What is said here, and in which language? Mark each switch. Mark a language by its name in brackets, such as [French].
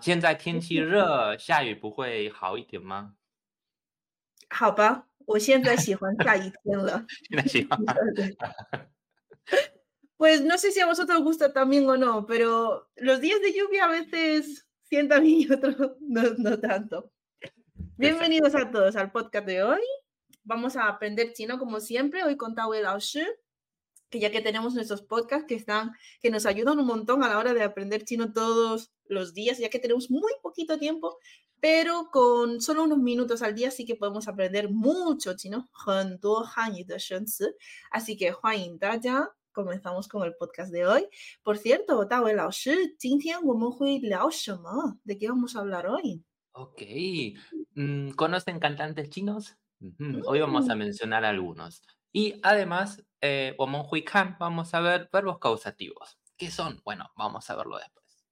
[Chinese] 现在天气热，下雨不会好一点吗？好吧，我现在喜欢下雨天了。现在喜欢。 [Spanish] Pues no sé si a vosotros gusta también o no, pero los días de lluvia a veces sienta bien y otros no tanto. Bienvenidos a todos al podcast de hoy. Vamos a aprender chino como siempre hoy con Tao Lao Shi. Que ya que tenemos nuestros podcasts que nos ayudan un montón a la hora de aprender chino todos los días, ya que tenemos muy poquito tiempo, pero con solo unos minutos al día sí que podemos aprender mucho chino, [Chinese] 很多汉语的生词. [Spanish] Así que, [Chinese] 欢迎大家, [Spanish] comenzamos con el podcast de hoy. Por cierto, [Chinese] 大卫老师, 今天我们会聊什么? [Spanish] ¿De qué vamos a hablar hoy? Ok, ¿conocen cantantes chinos? Hoy vamos a mencionar algunos. Y además, vamos a ver verbos causativos. ¿Qué son? Bueno, vamos a verlo después.